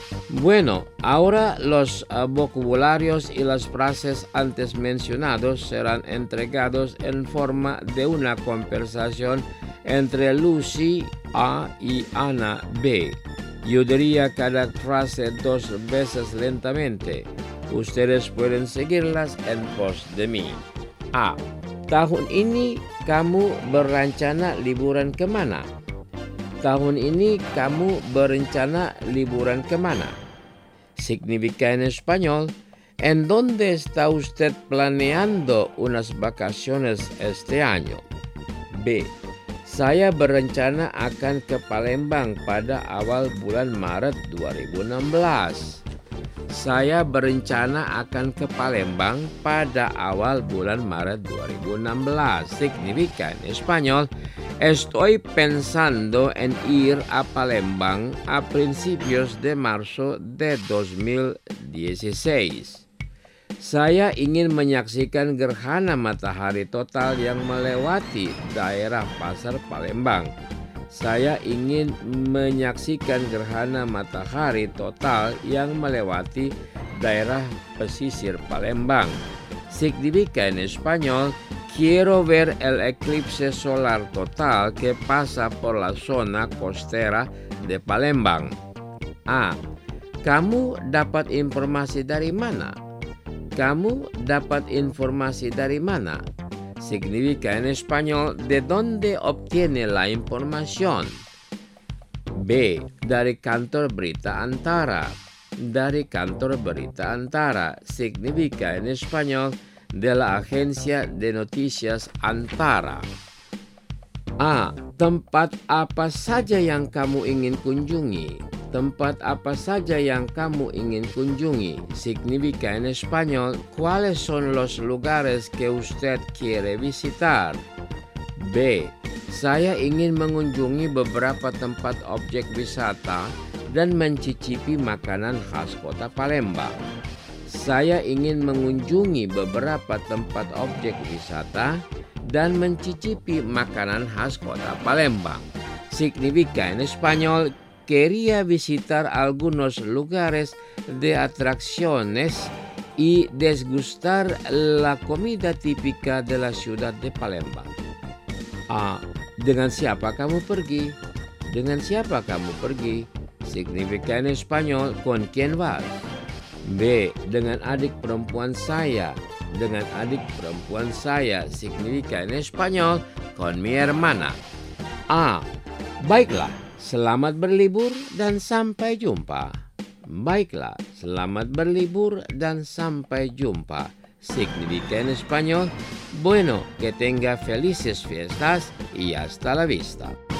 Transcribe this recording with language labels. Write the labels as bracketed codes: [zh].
[es] Bueno, ahora los vocabularios y las frases antes mencionados serán entregados en forma de una conversación entre Lucy A y Ana B. Yo diría cada frase dos veces lentamente. Ustedes pueden seguirlas en pos de mí. A. [id] Tahun ini kamu berencana liburan kemana? Tahun ini kamu berencana liburan kemana? [es] Significa en español, ¿en dónde está usted planeando unas vacaciones este año? [id] B. Saya berencana akan ke Palembang pada awal bulan Maret 2016. Saya berencana akan ke Palembang pada awal bulan Maret 2016. Signifikan Espanyol. [es] Estoy pensando en ir a Palembang a principios de marzo de 2016. [id] Saya ingin menyaksikan gerhana matahari total yang melewati daerah pasar Palembang. Saya ingin menyaksikan gerhana matahari total yang melewati daerah pesisir Palembang. [es] Significa en español, quiero ver el eclipse solar total que pasa por la zona costera de Palembang. A. [id] Kamu dapat informasi dari mana? Kamu dapat informasi dari mana? [es] Significa en español, ¿de dónde obtiene la información? B. [id] Dari kantor berita Antara. Dari kantor berita Antara. [es] Significa en español, de la agencia de noticias Antara. A. [id] Tempat apa saja yang kamu ingin kunjungi? Tempat apa saja yang kamu ingin kunjungi? [es] Significa en español, ¿cuáles son los lugares que usted quiere visitar? B. [id] Saya ingin mengunjungi beberapa tempat objek wisata dan mencicipi makanan khas kota Palembang. Saya ingin mengunjungi beberapa tempat objek wisata dan mencicipi makanan khas kota Palembang. [es] Significa en español, quería visitar algunos lugares de atracciones y degustar la comida típica de la ciudad de Palembang. A. [id] Dengan siapa kamu pergi? Dengan siapa kamu pergi? [es] Significa en español, ¿con quién vas? B. [id] Dengan adik perempuan saya. Dengan adik perempuan saya. [es] Significa en español, ¿con mi hermana? [id] A. Baiklah. Selamat berlibur dan sampai jumpa. Baiklah, selamat berlibur dan sampai jumpa. [es] Significa en español, bueno, que tenga felices fiestas y hasta la vista.